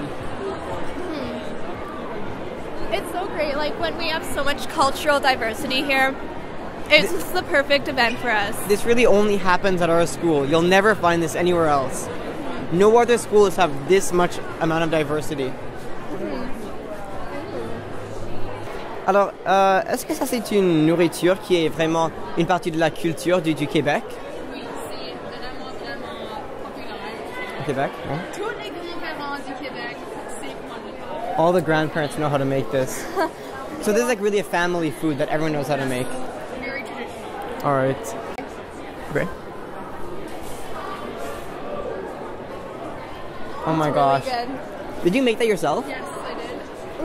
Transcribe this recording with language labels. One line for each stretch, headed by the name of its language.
English: Mm-hmm. It's so great. Like, when we have so much cultural diversity here, it's just the perfect event for us. This really only happens at our school. You'll never find this anywhere else. No other schools have this much amount of diversity.
French: Alors, est-ce que ça c'est une nourriture qui est vraiment une partie de la culture du Québec? Oui, c'est vraiment, vraiment populaire. Au Québec, hein? Tous les grands-parents du Québec, c'est comment le faire.
English: All the grandparents know how to make this. So this is like really a family food that everyone knows how to make. Very traditional. All right. Great. Oh my gosh. Really good. Did you make that yourself? Yes, I did.